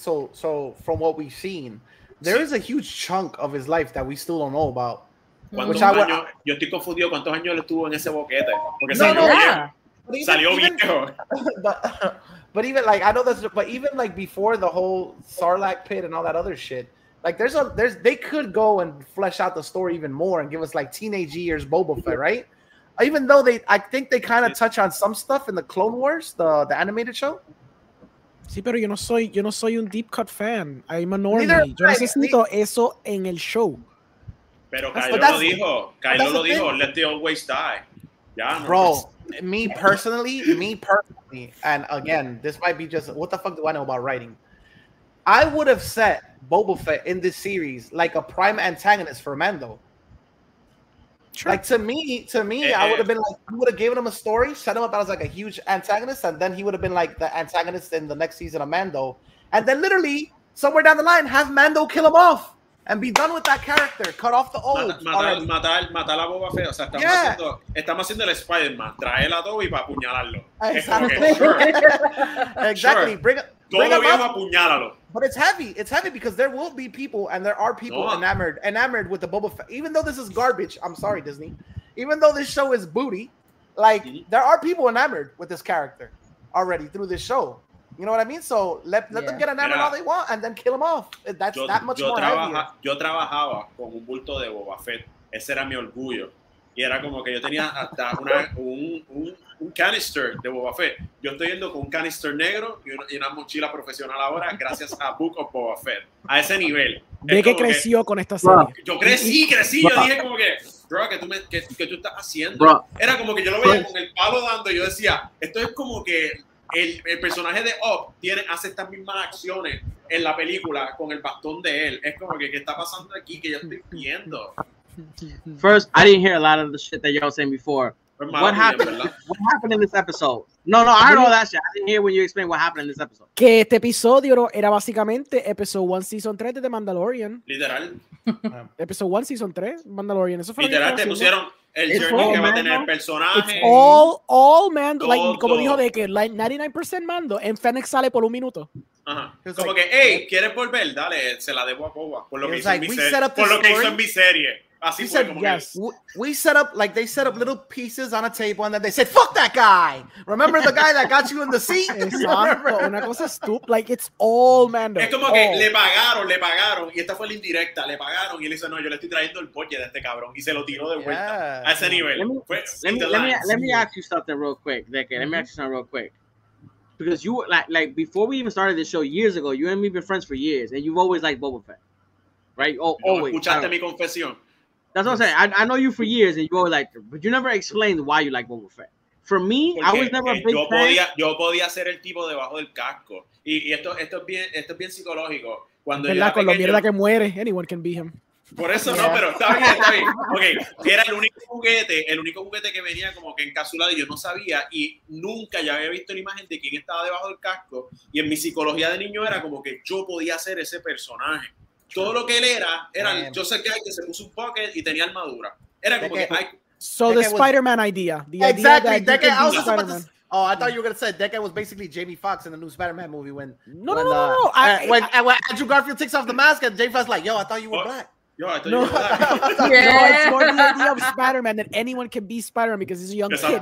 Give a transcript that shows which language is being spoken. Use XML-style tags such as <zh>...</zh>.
<en>So from what we've seen, there is a huge chunk of his life that we still don't know about.</en> <es>Yo estoy confundido cuántos años él estuvo en ese boquete. Porque salió viejo.</es> <en>But even like before the whole Sarlacc pit and all that other shit, like they could go and flesh out the story even more and give us like teenage years Boba Fett, right? Even though I think they kind of touch on some stuff in the Clone Wars, the animated show.</en> <es>Sí, pero yo no soy un</es> <en>deep cut fan. I'm a normie.</en> <es>Yo necesito eso en el show. Pero Kylo lo dijo.</es> <en>Let the old ways die. Yeah, bro. me personally, and again, this might be just what the fuck do I know about writing? I would have set Boba Fett in this series like a prime antagonist for Mando. True. Like to me, I would have been like, you would have given him a story, set him up as like a huge antagonist, and then he would have been like the antagonist in the next season of Mando. And then literally, somewhere down the line, have Mando kill him off and be done with that character. Cut off the old.</en> <es>Matar a Boba Fett. O sea, estamos haciendo el Spider-Man. Traerlo a Toby para apuñalarlo.</es> <en>Exactly. Exactly. Sure. Bring him up. But it's heavy because there will be people, and there are people enamored with the Boba Fett. Even though this is garbage, I'm sorry, Disney. Even though this show is booty, like there are people enamored with this character already through this show. You know what I mean? So let them get enamored all they want and then kill them off. That's</en> <es>Yo trabajaba con un bulto de Boba Fett. Ese era mi orgullo. Y era como que yo tenía hasta un canister de Boba Fett. Yo estoy yendo con un canister negro y una mochila profesional ahora gracias a Book of Boba Fett. A ese nivel. ¿De qué creció con esta serie? Yo crecí. Bro. Yo dije como que, bro, ¿qué tú estás haciendo? Bro. Era como que yo lo veía con el palo dando y yo decía, esto es como que el personaje de Up hace estas mismas acciones en la película con el bastón de él. Es como que, ¿qué está pasando aquí? Que yo estoy viendo.</es> <en>First, I didn't hear a lot of the shit that y'all saying before. What happened? What happened in this episode? No, I don't know that shit. I didn't hear when you explained what happened in this episode.</en> <es>Que este episodio era básicamente</es> <en>episode 1 season 3</en> <es>de The Mandalorian. Literal.</es> <en>Episode 1 season 3 Mandalorian.</en> <es>Eso fue literal, te pusieron el</es> <en>it's journey</en> <es>que va a tener el personaje.</es> <en>It's all Mando. Like,</en> <es>como dijo de que</es> <en>like 99% Mando.</en> <es>En Fennec sale por un minuto. Uh-huh. Como like, que, hey, ¿quieres volver? Dale, se la debo a Boba. Por lo, que hizo, like, en mi serie. Por lo que hizo en mi serie. Así fue, said, como yes.</es> <en>We set up, like, they set up little pieces on a table, and then they said, fuck that guy! Remember the guy that got you in the seat?</en> <es>Exacto. Una cosa stupid.</es> <en>Like, it's all Mando.</en> <es>Es como</es> <en>all.</en> <es>Que le pagaron, y esta fue la indirecta, le pagaron, y él dice, no, yo le estoy trayendo el bolle de este cabrón, y se lo tiró de vuelta. Yeah. A ese nivel.</es> <en>Let me ask you something real quick. Because you, like, before we even started this show years ago, you and me have been friends for years, and you've always liked Boba Fett. Right? Oh, no, always.</en> <es>Escuchaste mi confesión.</es> <en>That's what I'm saying. I know you for years, and you always liked him, but you never explained why you like Boba Fett. For me, porque I was never a big fan.</en> <es>Yo podía ser el tipo debajo del casco. Y esto es bien psicológico. Cuando verdad, con lo mierda que muere,</es> <en>anyone can be him.</en> <es>Por eso yeah. No, pero está bien. Okay. Era el único juguete que venía como que encapsulado y yo no sabía. Y nunca ya había visto la imagen de quién estaba debajo del casco. Y en mi psicología de niño era como que yo podía ser ese personaje. Todo lo que él era yo sé que hay que se puso un pocket y tenía armadura. Era como</es> <en>the Spider-Man idea. Exactly. I thought you were going to say Deckard was basically Jamie Foxx in the new Spider-Man movie when Andrew Garfield takes off the mask and Jamie Foxx like, yo, I thought you were black. It's more the idea of Spider-Man that anyone can be Spider-Man because he's a young kid.</en>